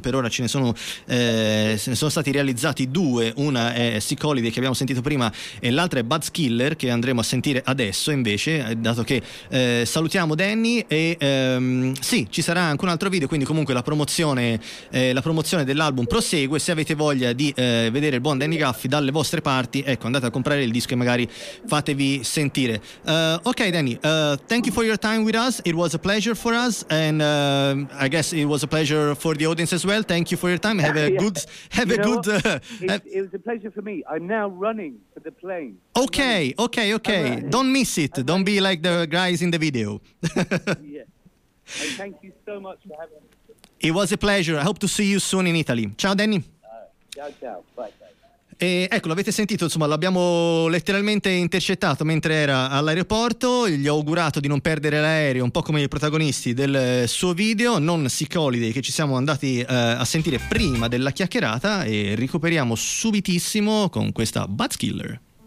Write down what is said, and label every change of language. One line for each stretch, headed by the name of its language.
Italian: Per ora ce ne sono, stati realizzati due, una è Sick Holiday che abbiamo sentito prima e l'altra è Buds Killer che andremo a sentire adesso invece, dato che salutiamo Danny. E sì, ci sarà anche un altro video, quindi comunque la promozione dell'album prosegue. Se avete voglia di vedere il buon Danny Gaffi dalle vostre parti, ecco, andate a comprare il disco e magari fatevi sentire.
English: Ok Danny, thank you for your time with us, it was a pleasure for us, and I guess it was a pleasure for the audience as well. Thank you for your time, have a good it was a pleasure for me. I'm now running for the plane. Okay, okay, okay. Right. Don't miss it. Okay. Don't be like the guys in the video. Yes. Thank you so much for having me. It was a pleasure. I hope to see you soon in Italy.
Italian: Ciao, Danny. Ciao, ciao. Bye. E ecco, l'avete sentito, insomma, l'abbiamo letteralmente intercettato mentre era all'aeroporto, gli ho augurato di non perdere l'aereo, un po' come i protagonisti del suo video, non Sick Holiday, che ci siamo andati a sentire prima della chiacchierata, e recuperiamo subitissimo con questa Buds Killer.